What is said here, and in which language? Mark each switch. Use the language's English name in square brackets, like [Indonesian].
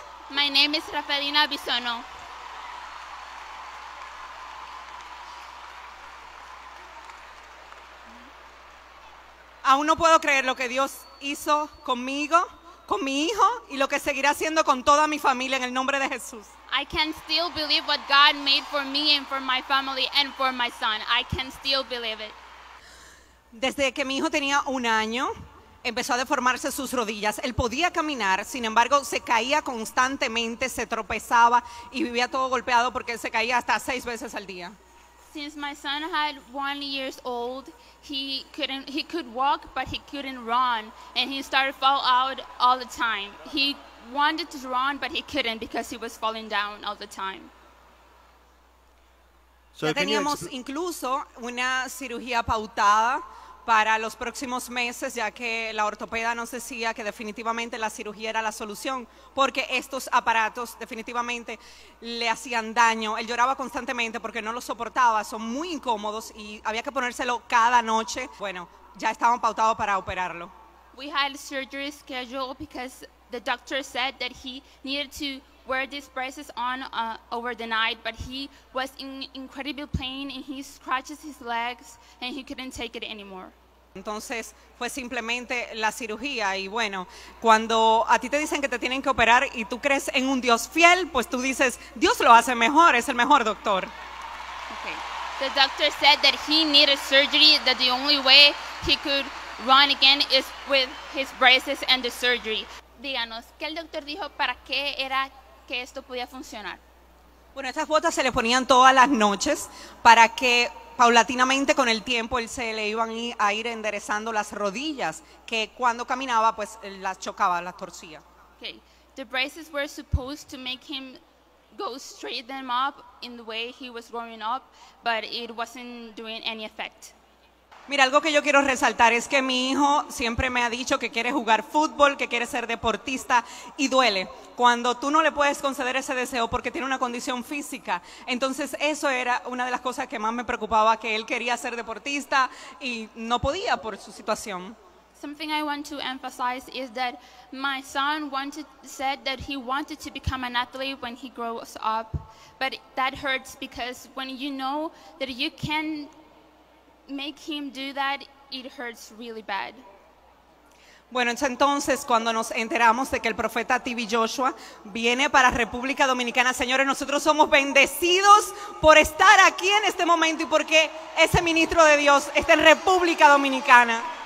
[English] My name is Rafaelina Bisonó. [Spanish] Aún no puedo creer lo que Dios hizo conmigo, con mi hijo y lo que seguirá haciendo con toda mi familia en el nombre de Jesús. [English] I can still believe what God made for me and for my family and for my son. I can still believe it. [Spanish] Desde que mi hijo tenía un año, empezó a deformarse sus rodillas. Él podía caminar, sin embargo, se caía constantemente, se tropezaba y vivía todo golpeado porque se caía hasta 6 veces al día. [English] Since my son had 1 year old, he could walk, but he couldn't run, and he started fall out all the time. He wanted to run, but he couldn't because he was falling down all the time. [Spanish] So ya teníamos incluso una cirugía pautada para los próximos meses, ya que la ortopeda nos decía que definitivamente la cirugía era la solución, porque estos aparatos definitivamente le hacían daño. Él lloraba constantemente porque no lo soportaba, son muy incómodos y había que ponérselo cada noche. Bueno, ya estaban pautados para operarlo. [English] We had surgery scheduled because the doctor said that he needed to wear these braces on over the night, but he was in incredible pain and he scratches his legs and he couldn't take it anymore. [Spanish] Entonces fue simplemente la cirugía. Y bueno, cuando a ti te dicen que te tienen que operar y tú crees en un Dios fiel, pues tú dices, Dios lo hace mejor, es el mejor doctor. [English] Okay. The doctor said that he needed surgery, that the only way he could run again is with his braces and the surgery. [Spanish] Díganos, ¿qué el doctor dijo para qué era que esto podía funcionar? Bueno, estas botas se le ponían todas las noches para que paulatinamente con el tiempo él se le iban a ir enderezando las rodillas, que cuando caminaba pues las chocaba, las torcía. [English] Okay. The braces were supposed to make him go straight them up in the way he was growing up, but it wasn't doing any effect. [Spanish] Mira, algo que yo quiero resaltar es que mi hijo siempre me ha dicho que quiere jugar fútbol, que quiere ser deportista, y duele. Cuando tú no le puedes conceder ese deseo porque tiene una condición física, entonces eso era una de las cosas que más me preocupaba, que él quería ser deportista y no podía por su situación. [English] Something I want to emphasize is that my son said that he wanted to become an athlete when he grows up, but that hurts because when you know that you can make him do that, it hurts really bad. [Spanish] Bueno, entonces cuando nos enteramos de que el profeta TV Joshua viene para República Dominicana, señores, nosotros somos bendecidos por estar aquí en este momento y porque ese ministro de Dios está en República Dominicana.